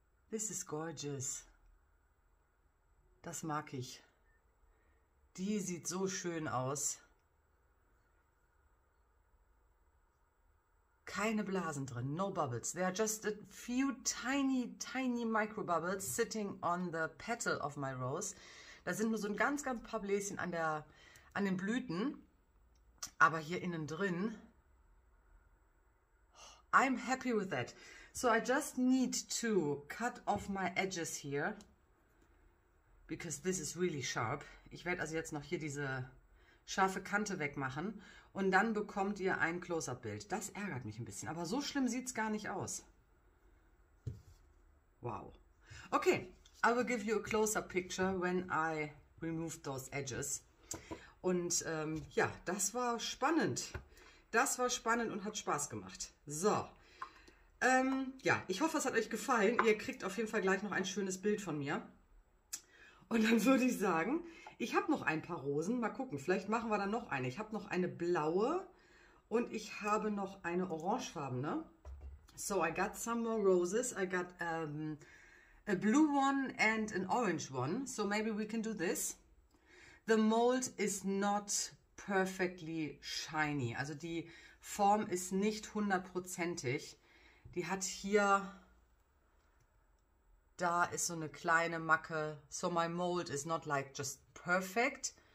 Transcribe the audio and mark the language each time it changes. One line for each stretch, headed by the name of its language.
English: This is gorgeous.
German: Das mag ich. Die sieht so schön aus. Keine Blasen drin,
English: no bubbles. There are just a few tiny, tiny micro bubbles sitting on the petal of my rose.
German: Da sind nur so ein ganz, ganz paar Bläschen an den Blüten. Aber hier innen drin,
English: I'm happy with that. So I just need to cut off my edges here, because this is really sharp.
German: Ich werde also jetzt noch hier diese scharfe Kante wegmachen und dann bekommt ihr ein Close-Up-Bild. Das ärgert mich ein bisschen, aber so schlimm sieht es gar nicht aus. Wow.
English: Okay, I will give you a close-up picture when I remove those edges.
German: Und ja, das war spannend. Das war spannend und hat Spaß gemacht. So. Ja, ich hoffe, es hat euch gefallen. Ihr kriegt auf jeden Fall gleich noch ein schönes Bild von mir. Und dann würde ich sagen, ich habe noch ein paar Rosen. Mal gucken, vielleicht machen wir dann noch eine. Ich habe noch eine blaue und ich habe noch eine orangefarbene.
English: So, I got some more roses. I got a blue one and an orange one. So maybe we can do this. The mold is not perfectly shiny.
German: Also die Form ist nicht hundertprozentig. Die hat hier, da ist so eine kleine Macke.
English: So my mold is not like just perfect.